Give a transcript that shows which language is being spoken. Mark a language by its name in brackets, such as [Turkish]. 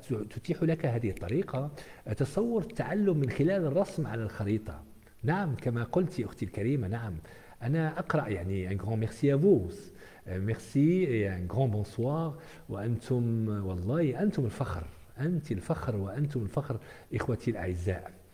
[Arabic] تتيح لك هذه الطريقة تصور التعلم من خلال الرسم على الخريطة. نعم، كما قلت أختي الكريمة، نعم، أنا أقرأ، يعني [French] un grand merci à vous. Merci et un grand bonsoir. [Arabic] وأنتم، والله أنتم الفخر، أنت الفخر وأنتم الفخر إخوتي الأعزاء.